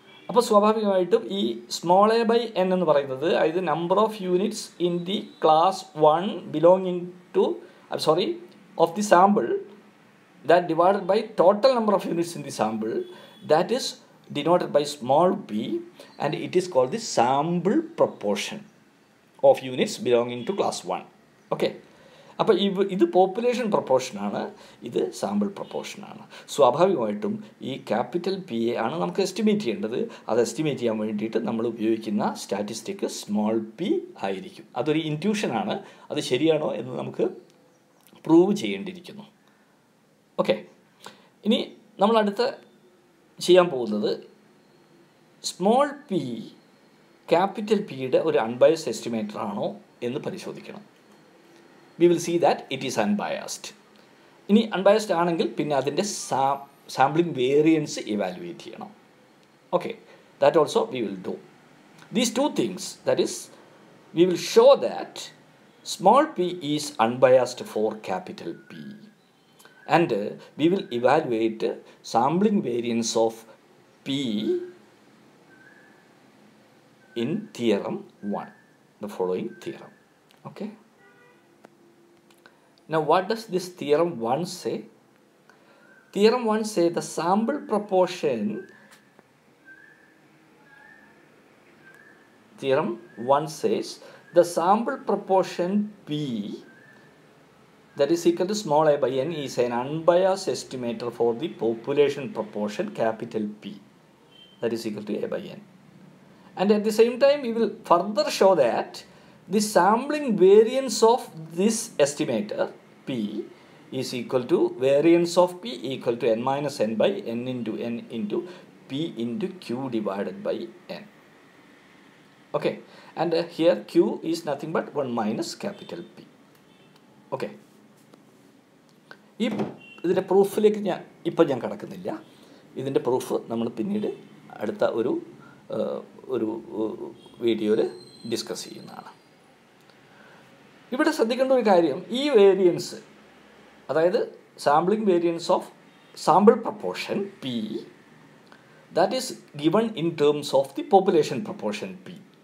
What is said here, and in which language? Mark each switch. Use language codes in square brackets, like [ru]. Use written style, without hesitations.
[ml] Swabhavikamayittum ee [en] small a by n [ml] ennu parayunnathu adu [en] number of units in the class 1 belonging to, I'm sorry, of the sample that divided by total number of units in the sample, that is denoted by small p, and it is called the sample proportion of units belonging to class 1. Okay. [ml] അപ്പോൾ ഇവ ഇത് population പ്രൊപ്പോർഷനാണ്, ഇത് sample പ്രൊപ്പോർഷനാണ്. സ്വാഭാവികമായിട്ടും ഈ capital P A ആണ് നമുക്ക് estimate ചെയ്യേണ്ടത്. അത് എസ്റ്റിമേറ്റ് ചെയ്യാൻ വേണ്ടിയിട്ട് നമ്മൾ ഉപയോഗിക്കുന്ന സ്റ്റാറ്റിസ്റ്റിക് സ്മോൾ പി ആയിരിക്കും. അതൊരു ഇൻട്യൂഷനാണ്, അത് ശരിയാണോ എന്ന് നമുക്ക് പ്രൂവ് ചെയ്യേണ്ടിയിരിക്കുന്നു. ഓക്കെ, ഇനി നമ്മൾ അടുത്ത ചെയ്യാൻ പോകുന്നത് സ്മോൾ പി ക്യാപിറ്റൽ പിയുടെ ഒരു അൺബയസ്ഡ് എസ്റ്റിമേറ്റർ ആണോ എന്ന് പരിശോധിക്കണം. [en] We will see that it is unbiased. [ml] ഇനി അൺബയസ്ഡ് ആണെങ്കിൽ പിന്നെ അതിൻ്റെ സാമ്പിളിംഗ് വേരിയൻസ് ഇവാലുവേറ്റ് ചെയ്യണം. [en] Okay, that also we will do. These two things, that is we will show that small p is unbiased for capital p, and we will evaluate sampling variance of p in theorem one, the following theorem. Okay, now what does this theorem 1 say? Theorem 1 say the sample proportion, theorem 1 says the sample proportion p that is equal to small a by n is an unbiased estimator for the population proportion capital P that is equal to a by n, and at the same time we will further show that the sampling variance of this estimator P is equal to variance of P equal to n minus n by n into P into Q divided by n. Okay, and here Q is nothing but 1 minus capital P. [ml] Okay, ഇതിൻ്റെ പ്രൂഫിലേക്ക് ഞാൻ ഇപ്പം ഞാൻ കടക്കുന്നില്ല. ഇതിൻ്റെ proof നമ്മൾ പിന്നീട് അടുത്ത ഒരു ഒരു വീഡിയോയിൽ ഡിസ്കസ് ചെയ്യുന്നതാണ്. ഇവിടെ ശ്രദ്ധിക്കേണ്ട ഒരു കാര്യം, ഈ വേരിയൻസ് അതായത് [en] Sampling variance of sample proportion P that is given in terms of the population proportion P.